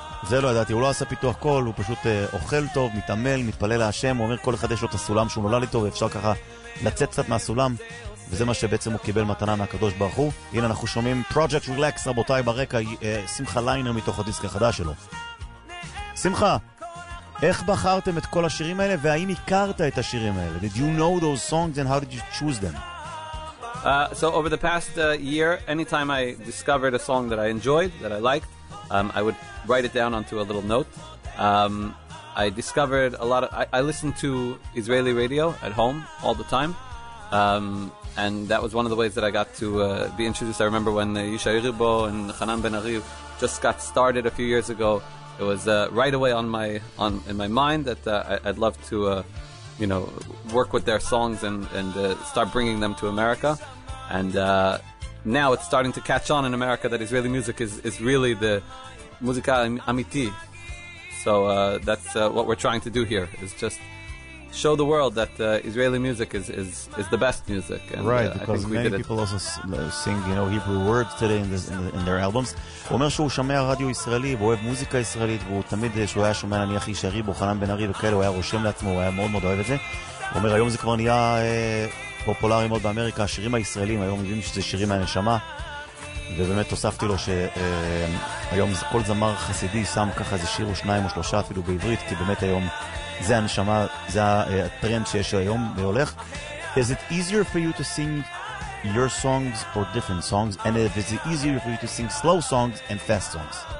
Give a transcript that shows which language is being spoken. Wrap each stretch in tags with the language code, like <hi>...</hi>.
<he>זה לא ידעתי, הוא לא עשה פיתוח קול, הוא פשוט אוכל טוב, מתעמל, מתפלל להשם, הוא אומר כל אחד יש לו את הסולם שהוא נולד איתו, ואפשר ככה לצאת קצת מהסולם, וזה מה שבעצם הוא קיבל מתנה מהקדוש ברוך הוא. הנה אנחנו שומעים Project Relax, רבותיי ברקע, שמחה ליינר מתוך הדיסק החדש שלו. שמחה, איך בחרתם את כל השירים האלה, והאם הכרת את השירים האלה?</he> <en>Did you know those songs and how did you choose them? So over the past year, anytime I discovered a song that I enjoyed, that I liked, I would write it down onto a little note. I discovered a lot of... I listened to Israeli radio at home all the time. And that was one of the ways that I got to be introduced. I remember when Yishai Ribo and Hanan Ben-Ari just got started a few years ago. It was right away in my mind that I'd love to, you know, work with their songs and start bringing them to America. And now it's starting to catch on in America that Israeli music is really the musica amiti. So that's what we're trying to do here, is just show the world that Israeli music is the best music. And, right, because I think many people also sing, you know, Hebrew words today in their albums.</en> <he>הוא אומר שהוא שומע רדיו ישראלי, והוא אוהב מוזיקה ישראלית, והוא תמיד, שהוא היה שומע נניח ישרי, בוחנן בן ארי וכאלה, הוא היה רושם לעצמו, הוא היה מאוד מאוד אוהב את זה. הוא אומר, היום זה כבר נהיה פופולרי מאוד באמריקה, השירים הישראלים, היום יודעים שזה שירים מהנשמה. ובאמת הוספתי לו שהיום כל זמר חסידי שם ככה איזה שיר או שניים או שלושה אפילו בעברית, כי באמת היום זה הנשמה, זה הטרנד שיש היום והולך.</he> <en>Is it easier for you to sing your songs or different songs? And if it's easier for you to sing slow songs and fast songs?</en>